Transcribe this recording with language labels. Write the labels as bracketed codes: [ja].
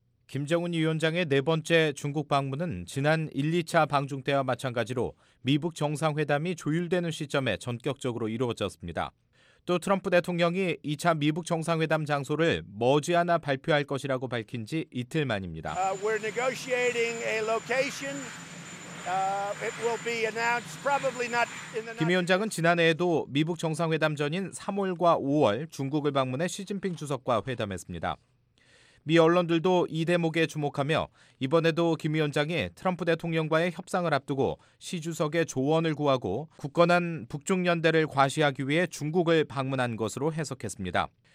[ko] 김정은 위원장의 네 번째 중국 방문은 지난 1, 2차 방중 때와 마찬가지로 미북 정상회담이 조율되는 시점에 전격적으로 이루어졌습니다. 또 트럼프 대통령이 2차 미북 정상회담 장소를 머지않아 발표할 것이라고 밝힌 지 이틀 만입니다. [en] We're negotiating a location. It will be announced probably not in the next. [ko] 김 위원장은 지난해에도 미북 정상회담 전인 3월과 5월 중국을 방문해 시진핑 주석과 회담했습니다. 미 언론들도 이 대목에 주목하며 이번에도 김 위원장이 트럼프 대통령과의 협상을 앞두고 시 주석의 조언을 구하고 굳건한 북중 연대를 과시하기 위해 중국을 방문한 것으로 해석했습니다.